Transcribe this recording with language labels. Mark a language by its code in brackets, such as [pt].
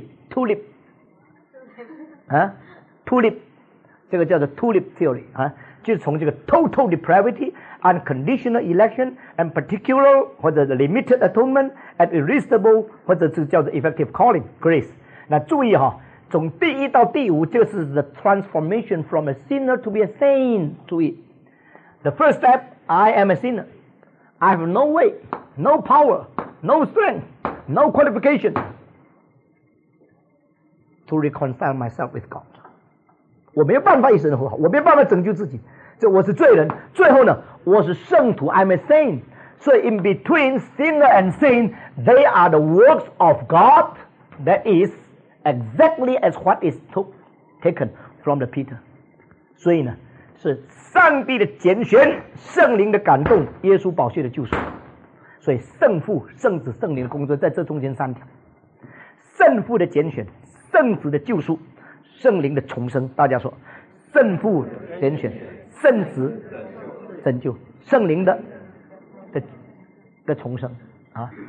[en] TULIP 啊 TULIP 这个叫做 TULIP theory 啊，就是从这个 total depravity unconditional election and particular 或者 the limited atonement and irresistible [zh] 或者是叫做 [en] effective calling grace。 [zh] 那注意哈，从第一到第五就是 [en] the transformation from a sinner to be a saint。 [zh] 注意 [en] the first step I am a sinnerI have no way, no power, no strength, no qualification to reconcile myself with God. [zh] 我没有办法一生活好，我没有办法拯救自己，就我是罪人。最后呢，我是圣徒 ， [en] I'm a saint. So in between sinner and saint, they are the works of God that is exactly as what is taken from the Peter. [zh] 所以呢，是上帝的拣选，圣灵的感动，耶稣宝血的救赎，所以圣父圣子圣灵的工作在这中间三条，圣父的拣选，圣子的救赎，圣灵的重生。大家说圣父拣选，圣子拯救，圣灵 的重生啊！